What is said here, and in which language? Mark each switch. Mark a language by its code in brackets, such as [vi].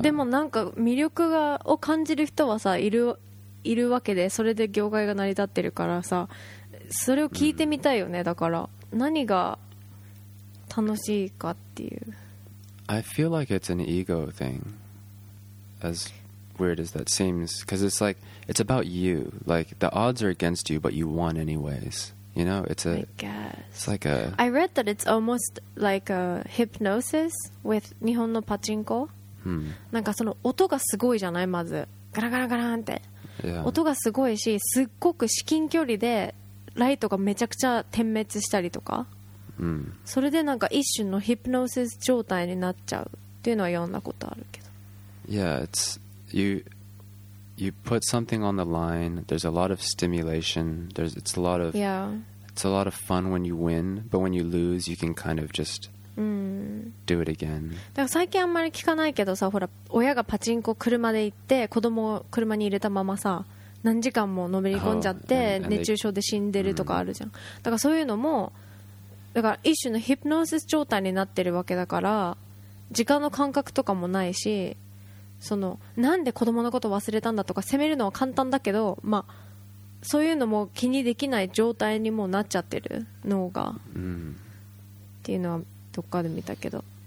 [ja] でもなんか魅力がを感じる人はさ、いるわけで、それで業界が成り立ってるからさ、それを聞いてみたいよね、だから。何が楽しいかっていう。 [en] I feel like it's an ego thing. As weird as that seems, because it's like it's about you. Like the odds are against you, but you won anyways. You know, it's a. I guess. It's like a. I read that it's almost like a hypnosis with [ja] 日本のパチンコ。なんかその音がすごいじゃない、まずガランガランガランって、 [en] yeah. [ja] 音がすごいし、すっごく至近距離でライトがめちゃくちゃ点滅したりとか、それでなんか一瞬のヒプノーシス状態になっちゃうっていうのは読んだことあるけど。 [en] Yeah, it's you put something on the line. There's a lot of stimulation. It's a lot of it's a lot of fun when you win, but when you lose, you can kind of just do it again. [ja] だから最近あんまり聞かないけどさ、ほら親がパチンコ車で行って、子供を車に入れたままさ、何時間ものめり込んじゃって熱中症で死んでるとかあるじゃん。だからそういうのも、だから一種のヒプノーシス状態になってるわけだから、時間の感覚とかもないし、そのなんで子供のこと忘れたんだとか責めるのは簡単だけど、まあそういうのも気にできない状態にもなっちゃってる脳が、っていうのはどっかで見たけど。